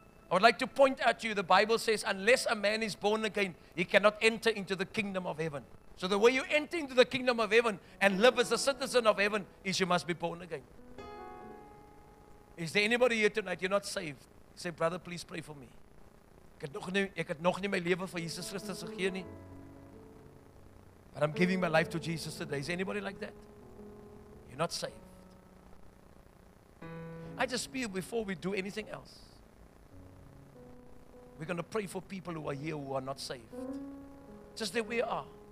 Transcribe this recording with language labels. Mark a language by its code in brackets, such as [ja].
[en] I would like to point out to you, the Bible says, unless a man is born again, he cannot enter into the kingdom of heaven. So the way you enter into the kingdom of heaven and live as a citizen of heaven is you must be born again. Is there anybody here tonight? You're not saved. Say, brother, please pray for me. [af] Ek het nog nie my lewe vir Jesus Christus gegee nie. [en] But I'm giving my life to Jesus today. Is anybody like that? You're not saved. I just feel before we do anything else, we're going to pray for people who are here who are not saved. Just that we are.